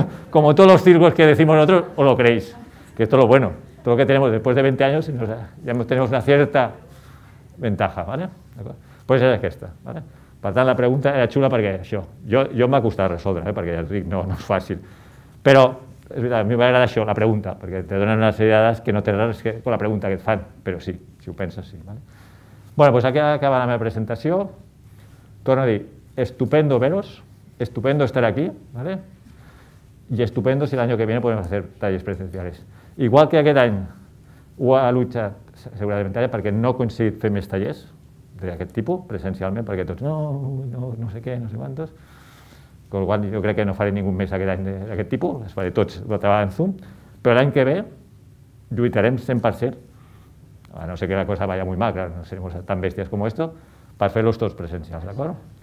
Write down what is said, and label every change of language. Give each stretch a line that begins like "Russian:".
Spanish: Como todos los circos que decimos nosotros, o lo creéis, que esto es lo bueno. Todo lo que tenemos después de 20 años, ya tenemos una cierta ventaja, ¿vale? Pues
Catalan: és aquesta, ¿vale? Per tant, la pregunta era xula perquè això, jo em va costar resoldre, perquè ja et dic, no és fàcil. Però, és veritat, a mi m'agrada això, la pregunta, perquè te donen una sèrie de dades que no tenen res amb la pregunta que et fan, però sí, si ho penses, sí, ¿vale? Bueno, doncs aquí acaba la meva presentació. Torno a dir,
Spanish: estupendo veros, estupendo estar aquí, ¿vale? Y estupendo si el año que viene podemos hacer talles presenciales.
Catalan: Igual que aquest any ho ha luchat Seguretat Viària perquè no ha coincidit fer més tallers d'aquest tipus presencialment perquè tots no sé quantos,
Spanish: con lo cual
Catalan: jo crec que no faré ningú més aquest any d'aquest tipus, les faré tots d'altra vegada en Zoom, però l'any que ve lluitarem 100%,
Spanish: a no ser que la cosa vaya muy mal, claro, no seremos tan
Catalan: bèsties com
Spanish: esto,
Catalan: per fer-los tots presencials, d'acord?